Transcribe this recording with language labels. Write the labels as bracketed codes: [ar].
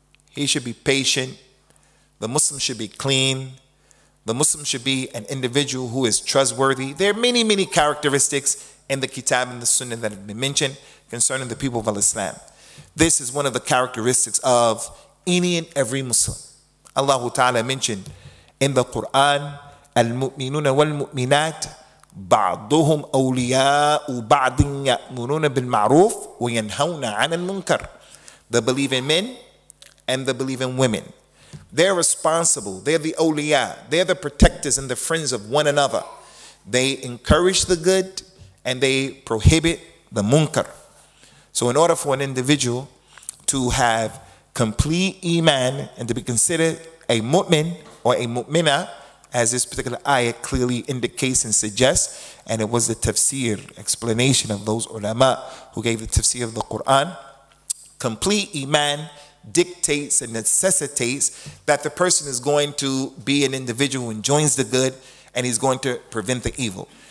[en] He should be patient. The Muslim should be clean. The Muslim should be an individual who is trustworthy. There are many, many characteristics in the Kitab and the Sunnah that have been mentioned concerning the people of Al-Islam. This is one of the characteristics of any and every Muslim. Allah Ta'ala mentioned in the Quran, [ar] المؤمنون والمؤمنات بعضهم أولياء وبعض يأمرون بالمعروف وينهون عن المنكر. [en] The believing men and the believing women, they're responsible. They're the awliya. They're the protectors and the friends of one another. They encourage the good and they prohibit the munkar. So in order for an individual to have complete iman and to be considered a mu'min or a mu'mina, as this particular ayah clearly indicates and suggests, and it was the tafsir explanation of those ulama who gave the tafsir of the Quran, complete iman dictates and necessitates that the person is going to be an individual who enjoins the good and he's going to prevent the evil.